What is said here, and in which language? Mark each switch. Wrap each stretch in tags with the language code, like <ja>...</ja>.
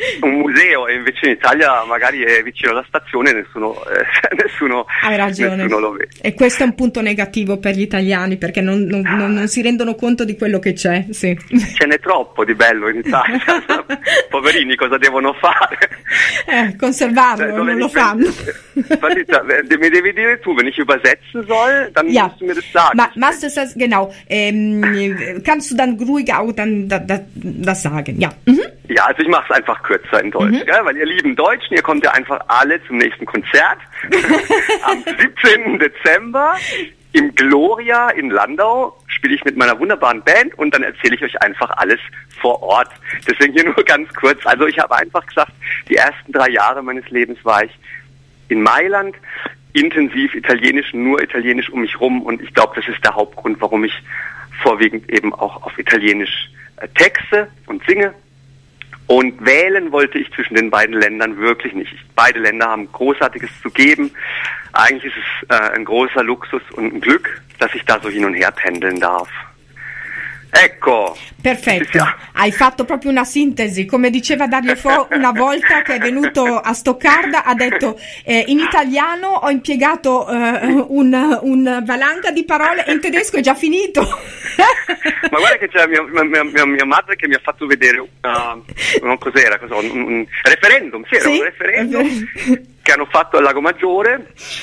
<it>un museo, e invece in Italia magari è vicino alla stazione e Hai nessuno ragione. lo vede. E questo è un punto negativo per gli italiani perché non si rendono conto di quello che c'è. Sì. Ce n'è troppo di bello in Italia. Poverini, cosa devono fare? Cioè, conservarlo, dove non li lo fanno.</it> <de>Warte, mir</de> <it>devi dire tu,</it> <de>wenn ich übersetzen soll, dann ja. musst du mir das sagen. Ja, machst du das, genau. kannst du dann ruhig auch dann das sagen, ja. Mhm. Ja, also ich mach's einfach kürzer in Deutsch, mhm. gell? Weil ihr lieben Deutschen, ihr kommt ja einfach alle zum nächsten Konzert am 17. Dezember im Gloria in Landau. Spiele ich mit meiner wunderbaren Band und dann erzähle ich euch einfach alles vor Ort. Deswegen hier nur ganz kurz. Also ich habe einfach gesagt, die ersten 3 Jahre meines Lebens war ich in Mailand, intensiv italienisch, nur italienisch um mich rum. Und ich glaube, das ist der Hauptgrund, warum ich vorwiegend eben auch auf Italienisch texte und singe. Und wählen wollte ich zwischen den beiden Ländern wirklich nicht. Beide Länder haben Großartiges zu geben. Eigentlich ist es ein großer Luxus und ein Glück, dass ich da so hin und her pendeln darf.</de> <it>Ecco. Perfetto. Hai fatto proprio una sintesi, come diceva Dario Fo una volta che è venuto a Stoccarda, ha detto in italiano ho impiegato un valanga di parole e in tedesco è già finito. Ma guarda che c'è mia madre che mi ha fatto vedere un referendum, sì, era sì? un referendum che hanno fatto al Lago Maggiore.</it>